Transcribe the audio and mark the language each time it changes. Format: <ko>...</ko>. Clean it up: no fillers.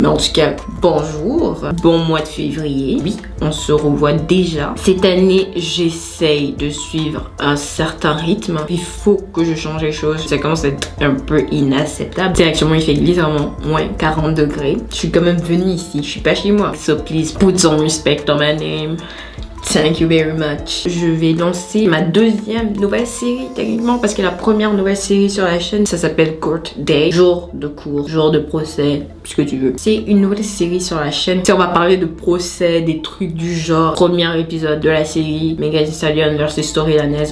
<fr>Mais en tout cas, bonjour. Bon mois de février. Oui, on se revoit déjà. Cette année, j'essaye de suivre un certain rythme. Il faut que je change les choses. Ça commence à être un peu inacceptable. C'est actuellement, il fait littéralement moins 40 degrés. Je suis quand même venue ici. Je suis pas chez moi.</fr> <en>So please, put some respect on my name. Thank you very much.</en> <fr>Je vais lancer ma deuxième nouvelle série techniquement, parce que la première nouvelle série sur la chaîne, ça s'appelle Court Day, jour de cours, jour de procès, ce que tu veux. C'est une nouvelle série sur la chaîne. On va parler de procès, des trucs du genre. Premier épisode de la série Megan Thee Stallion versus Tory Lanez.</fr>